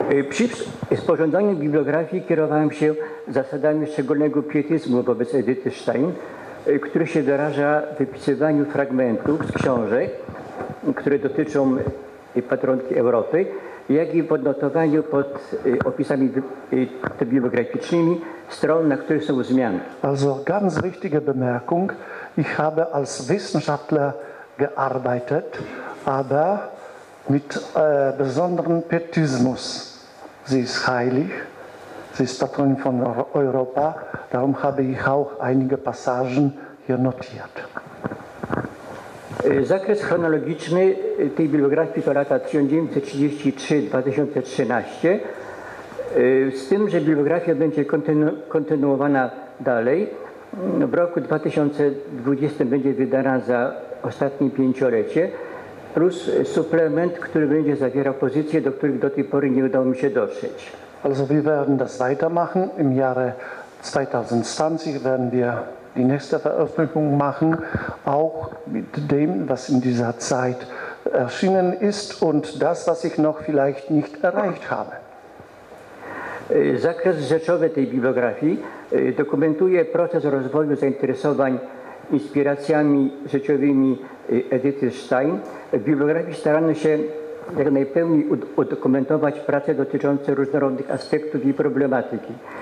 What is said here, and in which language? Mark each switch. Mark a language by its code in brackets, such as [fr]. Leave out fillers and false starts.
[pl] Przy sporządzaniu bibliografii kierowałem się zasadami szczególnego pietyzmu wobec Edyty Stein, który się wyraża w wypisywaniu fragmentów z książek, które dotyczą patronki Europy, jak i w odnotowaniu pod opisami bibliograficznymi stron, na których są zmiany. [de] Also ganz wichtige Bemerkung. Ich habe als Wissenschaftler gearbeitet, aber mit besonderem Pietismus. Sie ist heilig, sie ist Patronin von Europa, darum habe ich auch einige Passagen hier notiert. [pl] Zakres chronologiczny tej bibliografii to lata 1933-2013, z tym, że bibliografia będzie kontynuowana dalej. W roku 2020 będzie wydana za ostatnie pięciolecie, plus suplement, który będzie zawierał pozycje, do których do tej pory nie udało mi się dotrzeć. [de] Also wir werden das weitermachen. Im Jahre 2020 werden wir die nächste Veröffentlichung machen, auch mit dem, was in dieser Zeit erschienen ist und das, was ich noch vielleicht nicht erreicht habe. [pl] Zakres rzeczowy tej bibliografii dokumentuje proces rozwoju zainteresowań inspiracjami życiowymi Edyty Stein. W bibliografii starano się jak najpełniej udokumentować prace dotyczące różnorodnych aspektów i problematyki.